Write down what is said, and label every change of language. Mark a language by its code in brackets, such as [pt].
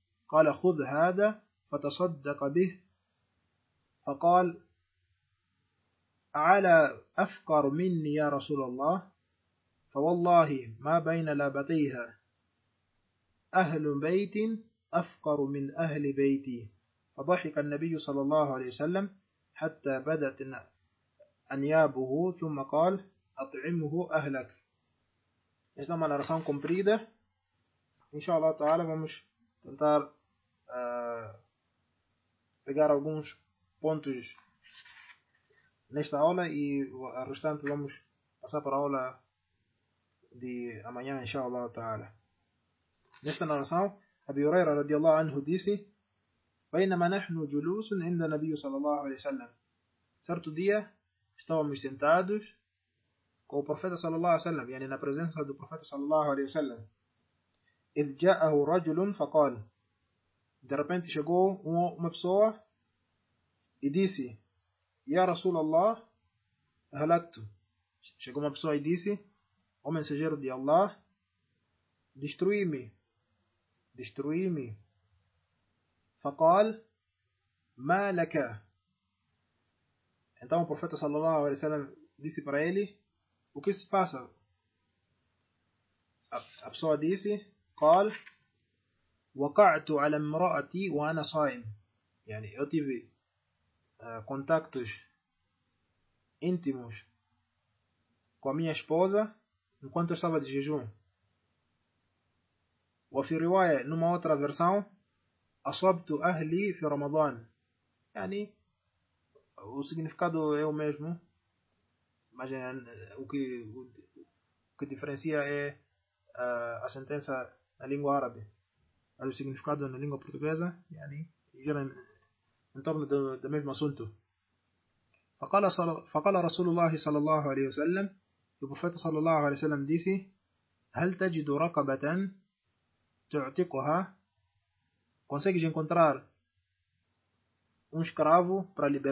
[ar] قال خذ هذا فتصدق به. فقال على أفقر مني يا رسول الله، فوالله ما بين لابتيها أهل بيت أفقر من أهل بيتي. فضحك النبي صلى الله عليه وسلم حتى بدت أنيابه، ثم قال أطعمه أهلك. [pt] Esta é uma narração comprida. Inshallah ta'ala, vamos tentar pegar alguns pontos nesta aula e o restante vamos passar para a aula de amanhã, inshallah ta'ala. Nesta narração, Abi Huraira radiallahu anhu disse: [ar] بينما نحن جلوس عند النبي صلى الله عليه وسلم. [pt] Certo dia estávamos sentados com o profeta صلى الله عليه وسلم, يعني na presença do profeta صلى الله عليه وسلم. [ar] إذ جاءه رجل فقال, [pt] de repente chegou uma pessoa e disse, [ar] يا رسول الله أهلكت. [pt] Chegou uma pessoa e disse, O mensageiro de Allah, destrui-me, destrui-me. [ar] فقال, ما لك? [pt] Então o profeta sallallahu alaihi wasallam disse para ele, o que se passa? A pessoa disse, [ar] قال, وقعت على امرأتي وأنا صائم. [pt] Yani, eu tive contactos íntimos com a minha esposa enquanto eu estava de jejum. O Afiriwaya, numa outra versão, [ar] Asobtu ahli fi Ramadan. [pt] Yani, o significado é o mesmo, mas o que diferencia é a sentença na língua árabe. Mas o significado na língua portuguesa, yani, gera em torno do mesmo assunto. [ar] فقال رسول الله صلى الله عليه وسلم البروفيت صلى الله عليه وسلم ديسي هل تجد رقبة تعتقها [pt] consegues encontrar um escravo para